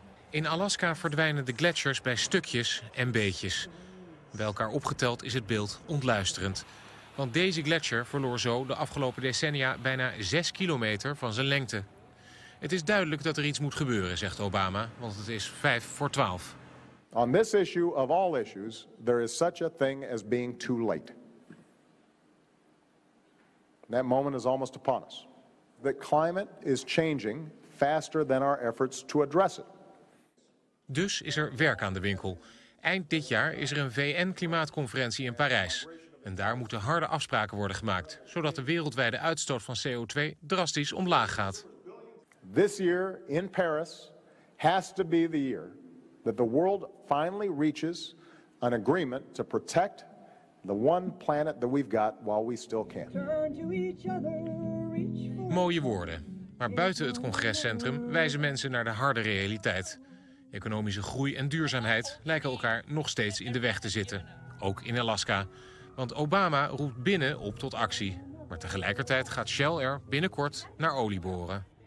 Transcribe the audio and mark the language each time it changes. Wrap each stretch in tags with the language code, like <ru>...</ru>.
<nl>In Alaska verdwijnen de gletsjers bij stukjes en beetjes. Bij elkaar opgeteld is het beeld ontluisterend. Want deze gletsjer verloor zo de afgelopen decennia bijna 6 kilometer van zijn lengte. Het is duidelijk dat er iets moet gebeuren, zegt Obama, want het is 5 voor 12.</nl> <en>On this issue of all issues, there is such a thing as being too late. That moment is almost upon us. The climate is changing faster than our efforts to address it.</en> <nl>Dus is er werk aan de winkel. Eind dit jaar is er een VN-klimaatconferentie in Parijs. En daar moeten harde afspraken worden gemaakt, zodat de wereldwijde uitstoot van CO2 drastisch omlaag gaat.</nl> <en>This year in Paris has to be the year that the world finally reaches an agreement to protect the one planet that we've got while we still can.</en> <nl>Mooie woorden. Maar buiten het congrescentrum wijzen mensen naar de harde realiteit. Economische groei en duurzaamheid lijken elkaar nog steeds in de weg te zitten. Ook in Alaska. Want Obama roept binnen op tot actie. Maar tegelijkertijd gaat Shell er binnenkort naar olie boren.</nl>